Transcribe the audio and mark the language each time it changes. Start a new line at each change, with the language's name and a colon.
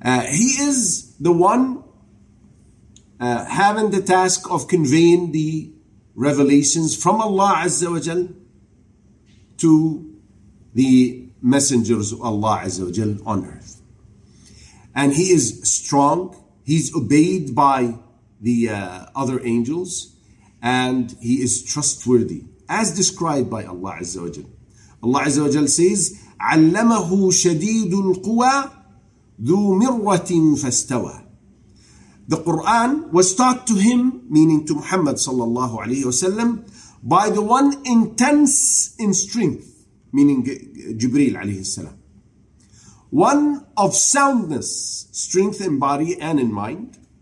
English: He is the one having the task of conveying the revelations from Allah Azza wa Jal to the messengers of Allah Azza wa Jal on earth. And he is strong. He's obeyed by the other angels. And he is trustworthy, as described by Allah Azza wa Jal. Allah Azza wa Jal says,
Arabic: عَلَّمَهُ شَدِيدُ الْقُوَى ذُو مِرَّةٍ فَاسْتَوَى.
English: The Quran was taught to him, meaning to Muhammad sallallahu alayhi wa sallam, by the one intense in strength, meaning Jibreel alayhi salam. One of soundness, strength in body and in mind.